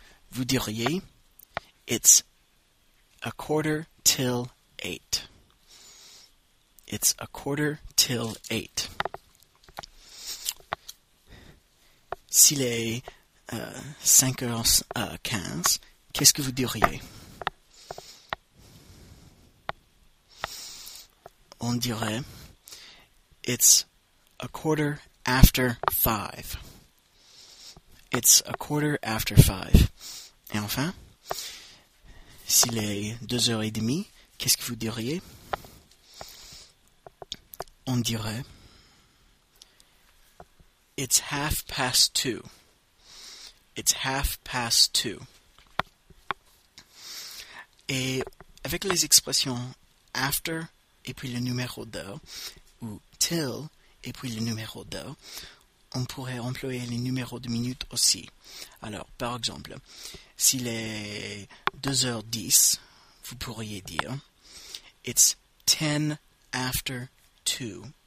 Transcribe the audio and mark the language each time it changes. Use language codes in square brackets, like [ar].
[fr] Vous diriez, [en] it's a quarter till 8. It's a quarter till 8. [fr] S'il est 5h15, qu'est-ce que vous diriez? On dirait, [en] it's a quarter after five. It's a quarter after five. [fr] Et enfin, s'il est 2h30, qu'est-ce que vous diriez? On dirait, [en] it's half past two. It's half past two. [fr] Et avec les expressions after et puis le numéro de, ou till et puis le numéro de, on pourrait employer les numéros de minute aussi. Alors, par exemple, s'il est 2h10, vous pourriez dire, [en] it's 10 after 2.